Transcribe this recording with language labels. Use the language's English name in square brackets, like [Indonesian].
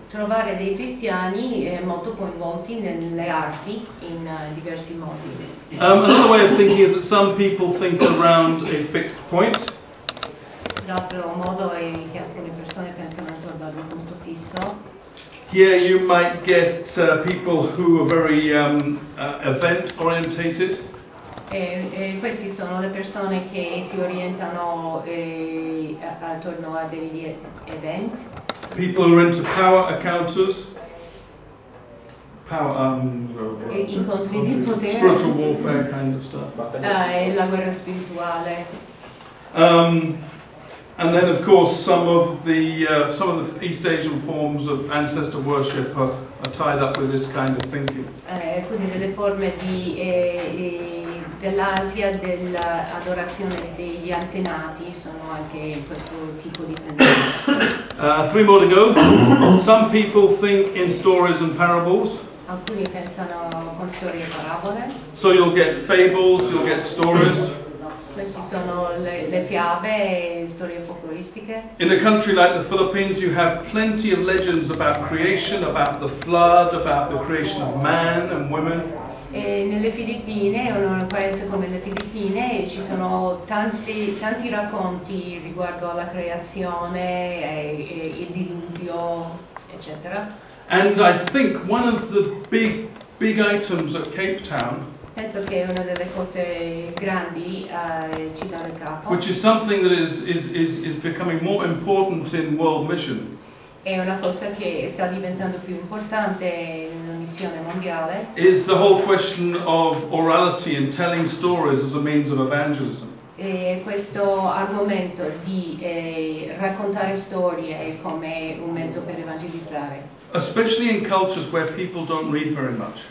[Italian] Trovare dei cristiani molto coinvolti nelle arti in diversi modi. [English] Another way of thinking is that some people think around a fixed point. [Italian] L'altro modo è che alcune persone pensano attorno ad un punto fisso. [English] Here you might get people who are very event orientated. [Italian] Questi sono le persone che si orientano attorno a degli event. [English] People who are into power encounters. [Italian] Incontri di potere. [English] Spiritual warfare kind of stuff. [Italian] La guerra spirituale. [English] And then, of course, some of the East Asian forms of ancestor worship are tied up with this kind of thinking. [Italian] Quindi delle forme di dell'Asia dell'adorazione degli antenati sono anche questo tipo di pensiero. [English] 3 more to go. Some people think in stories and parables. [Italian] Alcuni pensano con storie e parabole. [English] So you'll get fables, you'll get stories. [Italian] Queste sono le fiabe e storie folcloristiche. [English] In a country like the Philippines, you have plenty of legends about creation, about the flood, about the creation of man and women. [Italian] E nelle Filippine, o in un paese come le Filippine, ci sono tanti racconti riguardo alla creazione, il diluvio, eccetera. [English] And I think one of the big items at Cape Town. [Italian] Penso che è una delle cose grandi città del Capo. [English] Which is something that is becoming more important in world mission. [Italian] È una cosa che sta diventando più importante nella missione mondiale. [English] Is the whole question of orality and telling stories as a means of evangelism. [Italian] E questo argomento di raccontare storie come un mezzo per evangelizzare. [English] Especially in cultures where people don't read very much.